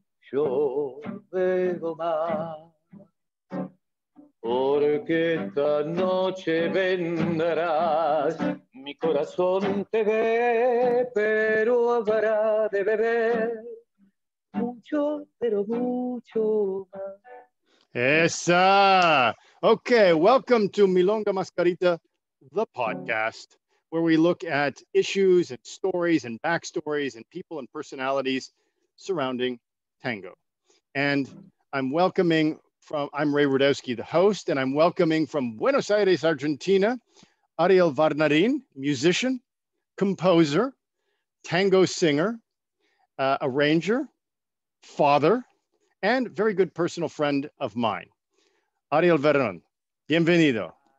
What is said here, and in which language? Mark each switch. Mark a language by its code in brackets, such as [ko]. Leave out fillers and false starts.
[es] Yo bebo más, porque esta noche vendrás. Mi corazón te ve, pero habrá de beber mucho, pero mucho más. Esa. [en] Okay, welcome to Milonga Mascarita, the podcast, where we look at issues and stories and backstories and people and personalities surrounding tango. And I'm Ray Rudowski, the host, and I'm welcoming from Buenos Aires, Argentina, Ariel Varnerin, musician, composer, tango singer, arranger, father, and very good personal friend of mine. [es] Ariel Varnerin, bienvenido.